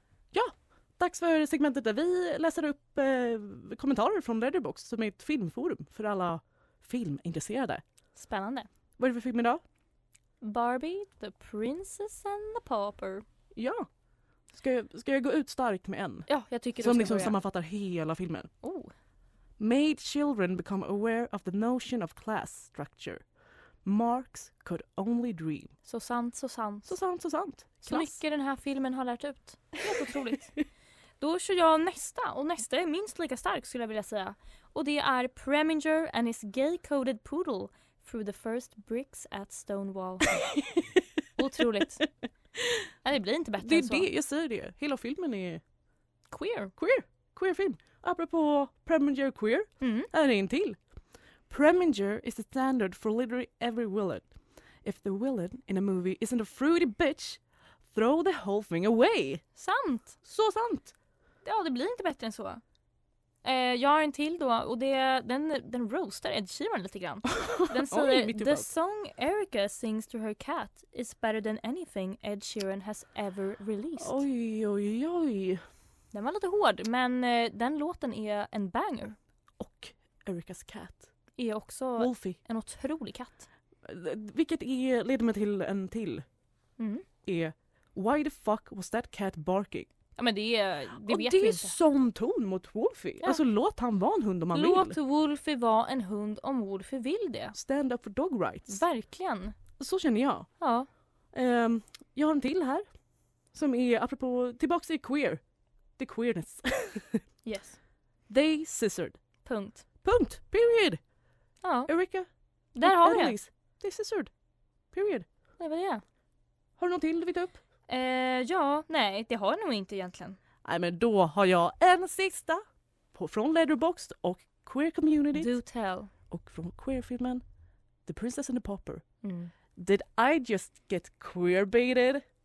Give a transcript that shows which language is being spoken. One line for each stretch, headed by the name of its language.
Swedish: Ja, dags för segmentet där vi läser upp kommentarer från Letterboxd som är ett filmforum för alla filmintresserade. Spännande. Vad är det för film idag?
English: Barbie, The Princess and the Pauper.
Swedish: Ja. Ska jag gå ut starkt med en? Ja, jag tycker som liksom sammanfattar hela filmen. Oh.
English: Made children become aware of the notion of class structure. Marx could only dream.
Swedish: Så sant, så sant. Så sant, så sant. Klass. Så mycket den här filmen har lärt ut. Helt otroligt. Då kör jag nästa. Och nästa är minst lika stark skulle jag vilja säga. Och det är
English: Preminger and his gay-coded poodle through the first bricks at Stonewall.
Swedish: Otroligt. Nej, det blir inte bättre det är än så. Det, jag säger det. Hela filmen är... Queer. Queer. Queer film. Apropå Preminger queer, är det en till.
English: Preminger is the standard for literally every villain. If the villain in a movie isn't a fruity bitch, throw the whole thing away.
Swedish: Sant. Så sant. Ja, det blir inte bättre än så. Jag har en till då, och det, den roastar Ed Sheeran lite grann. Den säger,
English: the song Erica sings to her cat is better than anything Ed Sheeran has ever released.
Swedish: Oj, oj, oj. Den var lite hård, men den låten är en banger. Och Ericas cat. Är också Wolfie. En otrolig katt. Vilket leder mig till en till. Mm.
English: Är, why the fuck was that cat barking?
Swedish: Ja, men det och vet det vi är inte. Sån ton mot Wolfie. Ja. Alltså låt han vara en hund om han låt vill. Låt Wolfie vara en hund om Wolfie vill det.
English: Stand up for dog rights.
Swedish: Verkligen. Så känner jag. Ja. Jag har en till här. Som är, apropå, tillbaka till queer.
English: The queerness. Yes. They scissored.
Swedish: Punkt. Punkt. Period. Ja. Erica. Där har vi det.
English: They scissored. Period.
Swedish: Det var det. Har du något till du vill ta upp? Ja, nej, det har jag nog inte egentligen. Nej, men då har jag en sista från Letterboxd och Queer Community.
English: Do tell.
Swedish: Och från queerfilmen The Princess and the Pauper.
English: Did I just get queerbaited?